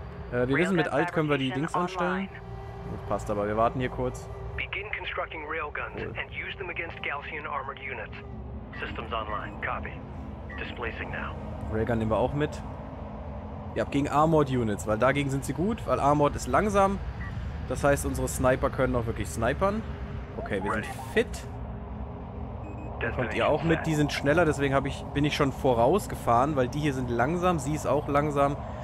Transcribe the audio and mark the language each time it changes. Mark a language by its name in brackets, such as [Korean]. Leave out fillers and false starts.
[German] Wir wissen, mit Alt können wir die Dings anstellen. Das passt aber, wir warten hier kurz. [English] Begin constructing railguns and use them against Gaussian armored units. Systems online. Copy. Displacing now. [German] Railgun nehmen wir auch mit. Ja, gegen Armored Units, weil dagegen sind sie gut, weil Armored ist langsam. Das heißt, unsere Sniper können auch wirklich snipern. Okay, wir sind fit. Kommt ihr auch mit? Die sind schneller, deswegen bin ich schon vorausgefahren, weil die hier sind langsam, sie ist auch langsam.